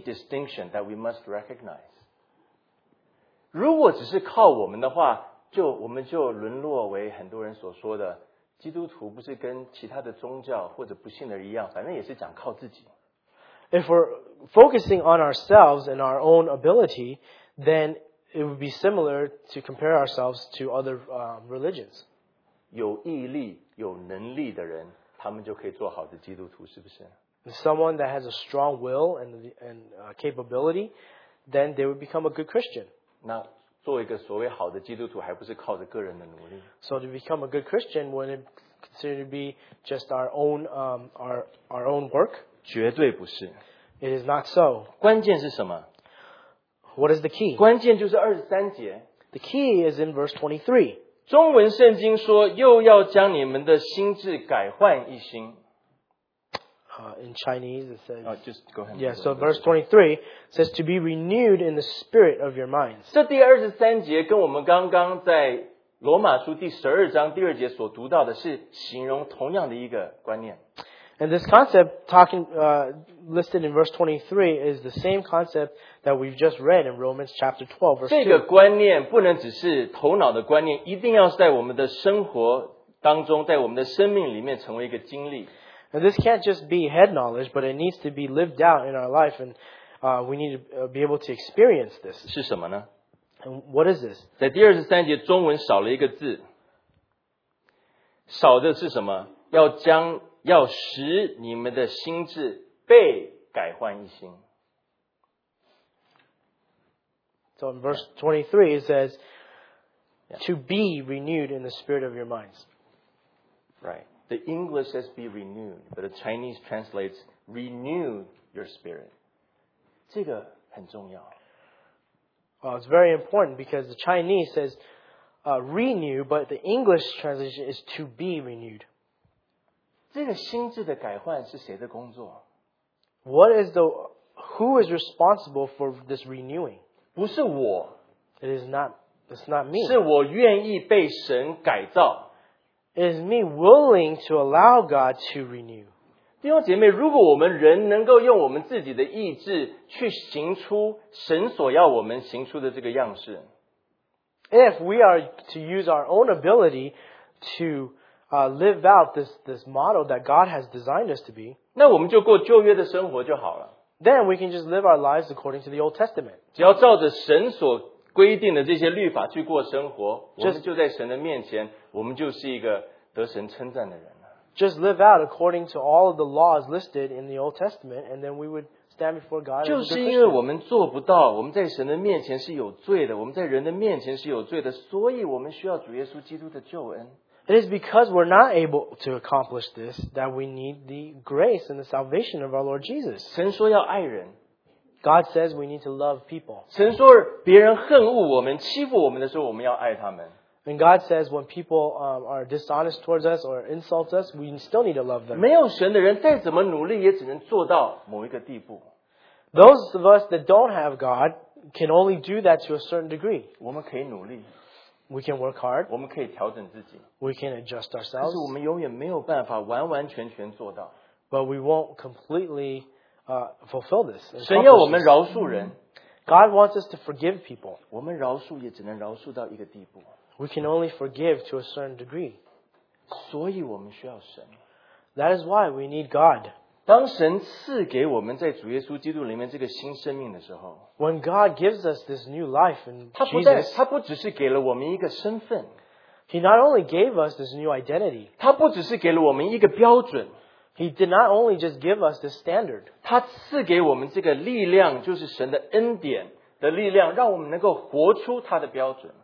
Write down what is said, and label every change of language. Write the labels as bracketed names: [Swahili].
[English] distinction that we must recognize. [Chinese] 如果只是靠我们的话，就我们就沦落为很多人所说的基督徒，不是跟其他的宗教或者不信的人一样，反正也是讲靠自己。 [English] If we're focusing on ourselves and our own ability, then it would be similar to compare ourselves to other religions. [Chinese] 有毅力、有能力的人，他们就可以做好的基督徒，是不是？ [English] Someone that has a strong will and capability, then they would become a good Christian. [Chinese] 那做一个所谓好的基督徒，还不是靠着个人的努力？ [English] So to become a good Christian, wouldn't it consider to be just our own work? [Chinese] 绝对不是。 [English] It is not so. [Chinese] 关键是什么？ [English] What is the key? [Chinese] 关键就是23节。 [English] The key is in verse 23. [Chinese] 中文圣经说又要将你们的心智改换一新。 [English] In Chinese it says, just go ahead. Yeah, so verse 23 says to be renewed in the spirit of your minds. [Chinese] 这第23节跟我们刚刚在罗马书第12章第2节所读到的是形容同样的一个观念。 [English] And this concept talking, listed in verse 23 is the same concept that we've just read in Romans chapter 12, verse 2. [Chinese] 这个观念不能只是头脑的观念，一定要在我们的生活当中，在我们的生命里面成为一个经历。 [English] And this can't just be head knowledge, but it needs to be lived out in our life, and we need to be able to experience this. [Chinese] 是什么呢？ [English] And what is this? [Chinese] 在第23节中文少了一个字，少的是什么？要将要使你们的心智被改换一新。 [English] So in verse 23 it says, to be renewed in the spirit of your minds. Right. The English says be renewed, but the Chinese translates renew your spirit. [Chinese] 这个很重要。 [English] Well, it's very important because the Chinese says renew, but the English translation is to be renewed. [Chinese] 这个心智的改换是谁的工作？ [English] What is the, who is responsible for this renewing? [Chinese] 不是我。 [English] It's not me. [Chinese] 是我愿意被神改造。 [English] It is me willing to allow God to renew. [Chinese] 弟兄姐妹，如果我们人能够用我们自己的意志去行出神所要我们行出的这个样式。 [English] If we are to use our own ability to live out this model that God has designed us to be. [Chinese] 那我们就过旧约的生活就好了。 [English] Then we can just live our lives according to the Old Testament. [Chinese] 只要照着神所规定的这些律法去过生活，我们就在神的面前，我们就是一个得神称赞的人了。 [English] Just live out according to all of the laws listed in the Old Testament, and then we would stand before God. [Chinese] 就是因为我们做不到，我们在神的面前是有罪的，我们在人的面前是有罪的，所以我们需要主耶稣基督的救恩。 [English] It is because we're not able to accomplish this that we need the grace and the salvation of our Lord Jesus. [Chinese] 神说要爱人。 [English] God says we need to love people. [Chinese] 神说别人恨恶我们、欺负我们的时候，我们要爱他们。 [English] And God says when people are dishonest towards us or insult us, we still need to love them. [Chinese] 没有神的人再怎么努力也只能做到某一个地步。 [English] Those of us that don't have God can only do that to a certain degree. [Chinese] 我们可以努力。 [English] We can work hard. [Chinese] 我们可以调整自己。 [English] We can adjust ourselves. [Chinese] 但是我们永远没有办法完完全全做到。 [English] But we won't completely fulfill this. [Chinese] 神要我们饶恕人。 [English] God wants us to forgive people. [Chinese] 我们饶恕也只能饶恕到一个地步。 [English] We can only forgive to a certain degree. [Chinese] 所以我们需要神。 [English] That is why we need God. [Chinese] 当神赐给我们在主耶稣基督里面这个新生命的时候， [English] When God gives us this new life in [Chinese] Jesus, 他不只是给了我们一个身份， [English] He not only gave us this new identity, [Chinese] 他不只是给了我们一个标准， [English] He did not only just give us this standard, [Chinese] 他赐给我们这个力量，就是神的恩典的力量，让我们能够活出他的标准。